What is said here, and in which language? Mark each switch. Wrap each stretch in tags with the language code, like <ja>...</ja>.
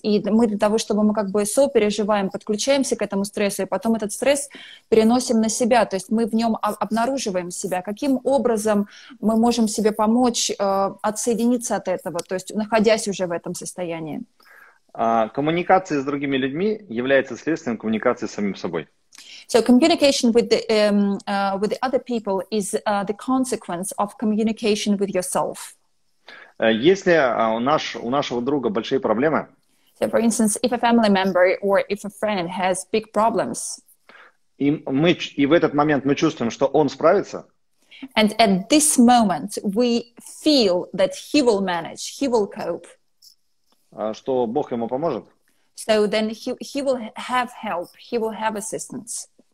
<ru>И мы для того, чтобы мы как бы сопереживаем, подключаемся к этому стрессу, и потом этот стресс переносим на себя. То есть мы в нем обнаруживаем себя. Каким образом мы можем себе помочь отсоединиться от этого? То есть находясь уже в этом состоянии. Коммуникация с другими людьми является следствием коммуникации с самим собой.</ru> <en>So communication with the other people is the consequence of communication with yourself.</en> <ru>Если у нашего друга большие проблемы.</ru> <en>So for instance, if a family member or if a friend has big problems.</en> <ru>И в этот момент мы чувствуем, что он справится.</ru> <en>And at this moment we feel that he will manage, he will cope.</en> <ru>Что Бог ему поможет?</ru> <en>So then he will have help, he will have assistance.</en>